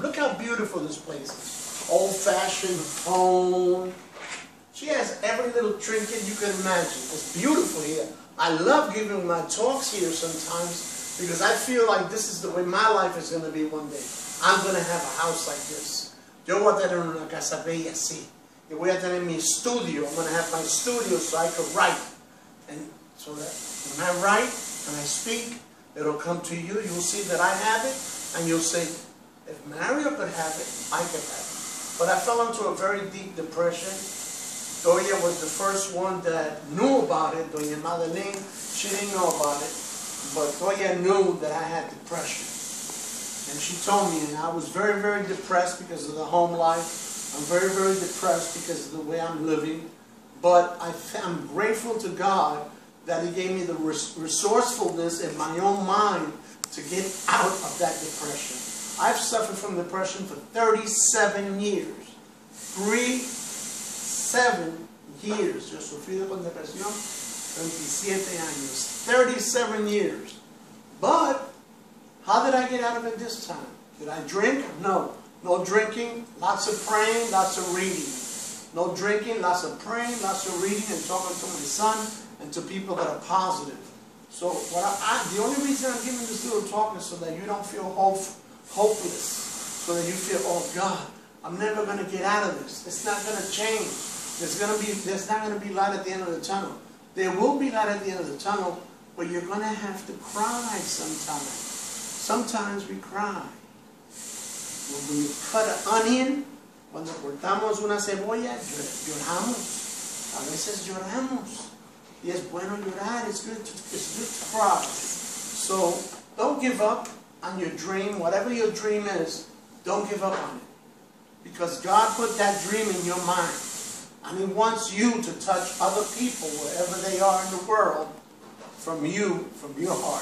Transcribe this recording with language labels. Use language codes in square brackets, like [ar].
[en] Look how beautiful this place is. Old-fashioned home. She has every little trinket you can imagine. It's beautiful here. I love giving my talks here sometimes because I feel like this is the way my life is going to be one day. I'm going to have a house like this. [es] Yo voy a tener una casa bella así. Yo voy a tener mi estudio. [en] I'm going to have my studio so I can write. And so that when I write and I speak, it'll come to you. You'll see that I have it. And you'll say, if Mario could have it, I could have it. But I fell into a very deep depression. Doña was the first one that knew about it. Doña Madeline, she didn't know about it. But Doña knew that I had depression. And she told me, and I was very, very depressed because of the home life. I'm very, very depressed because of the way I'm living. But I'm grateful to God that He gave me the resourcefulness in my own mind to get out of that depression. I've suffered from depression for 37 years. 37 years. [es] Yo sufrido con depresión 37 años. [en] 37 years. But how did I get out of it this time? Did I drink? No. No drinking, lots of praying, lots of reading. No drinking, lots of praying, lots of reading, and talking to my son and to people that are positive. So what the only reason I'm giving this little talk is so that you don't feel hopeless. So that you feel, oh God, I'm never going to get out of this. It's not going to change. There's not going to be light at the end of the tunnel. There will be light at the end of the tunnel, but you're going to have to cry sometimes. Sometimes we cry. When we cut an onion, [es] cuando cortamos una cebolla, lloramos. A veces lloramos. Y es bueno llorar. [en] It's good to cry. So don't give up on your dream. Whatever your dream is, don't give up on it. Because God put that dream in your mind. And He wants you to touch other people wherever they are in the world from you, from your heart.